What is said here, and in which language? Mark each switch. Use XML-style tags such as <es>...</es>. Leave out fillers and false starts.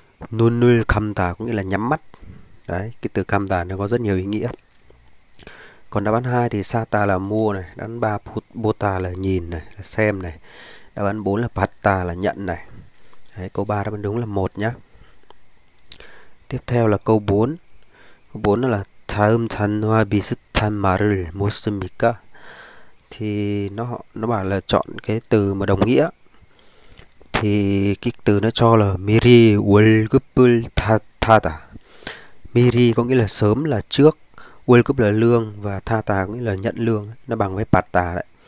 <vi>Nun nư cam tả có nghĩa là nhắm mắt. Đấy, cái từ cam tả nó có rất nhiều ý nghĩa. Còn đáp án 2 thì sa ta là mua này, đáp án 3 bô ta là nhìn này, là xem này. Đáp án 4 là bát ta là nhận này. Đấy, câu 3 đáp án đúng là 1 nhá. Tiếp theo là câu 4. Câu 4 là</vi> <ko>다음 단어와 비슷한 말을 무엇입니까?</ko> <vi>Thì nó bảo là chọn cái từ mà đồng nghĩa. Thì cái từ nó cho là</vi> <ko>미리 월급을 타다.</ko> <vi>미리 có nghĩa là sớm là trước. World Cup là lương và tha tà có nghĩa là nhận lương, nó bằng với pạt tà đấy.</vi>